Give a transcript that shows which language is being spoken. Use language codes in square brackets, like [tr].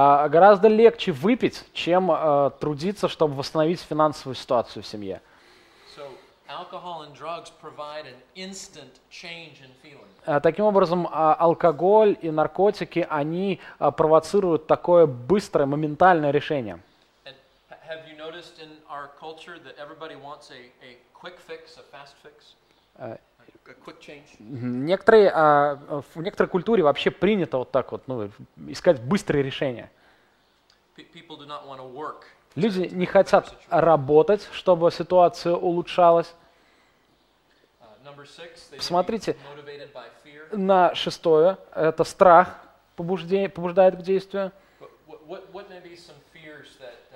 [ru] Гораздо легче выпить, чем трудиться, чтобы восстановить финансовую ситуацию в семье. [en] So, alcohol and drugs provide an instant change in feeling. [ru] Таким образом, алкоголь и наркотики, они провоцируют такое быстрое, моментальное решение. [en] Have you noticed in our culture that everybody wants a quick fix, a fast fix, a quick change? [ru] Некоторые в некоторой культуре вообще принято вот так вот, ну, искать быстрые решения. [en] People do not want to work. [ru] Люди не хотят работать, чтобы ситуация улучшалась. [en] Number six. [ru] Посмотрите, [en] they are motivated by fear. [ru] На шестое, это страх побуждает к действию. [en] What may be some fears that